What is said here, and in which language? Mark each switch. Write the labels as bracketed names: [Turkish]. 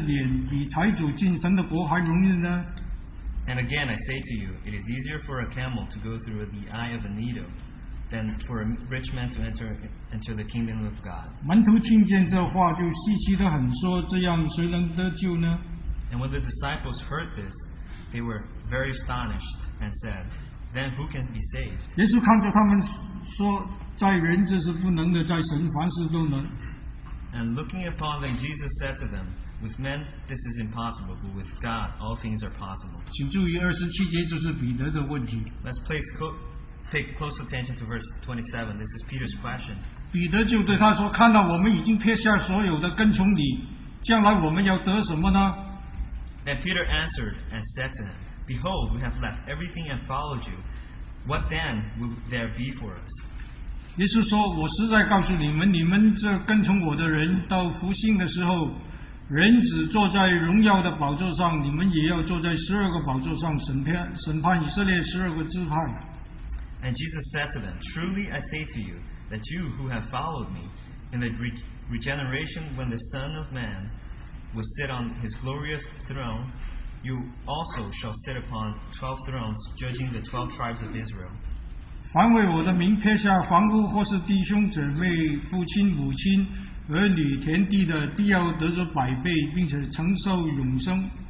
[Chinese] 我又告诉你们，骆驼穿过针的眼，比财主进神的国还容易呢。 [English] And again, I say to you, it is easier for a camel to go through the eye of a needle than for a rich man to enter the kingdom of God. [Chinese] 门徒听见这话，就稀奇地很说：“这样谁能得救呢？” [English] And when the disciples heard this, they were very astonished and said, "Then who can be saved?" [Chinese] 耶稣看着他们说：“在人这是不能的，在神凡事都能。” [English] And looking upon them, Jesus said to them, With men this is impossible, but with God all things are possible. [Chinese] 请注意27节就是彼得的问题。 [English] Let's pay close attention to verse 27. This is Peter's question. [Chinese] 彼得就对他说，看到我们已经撇下所有的跟从你，将来我们要得什么呢？ [English] And Peter answered and said to him, Behold, we have left everything and followed you. What then will there be for us? [Chinese] 耶稣说：“我实在告诉你们，你们这跟从我的人，到福星的时候，人子坐在荣耀的宝座上, 你们也要坐在十二个宝座上审判以色列十二个支派。 [English] And Jesus said to them, Truly I say to you, that you who have followed me, in the regeneration when the Son of Man will sit on his glorious throne, you also shall sit upon 12 thrones, judging the 12 tribes of Israel. [Chinese] 凡为我的名撇下房屋或是弟兄姊妹父亲母亲 儿女田地的必要得着百倍，并且承受永生。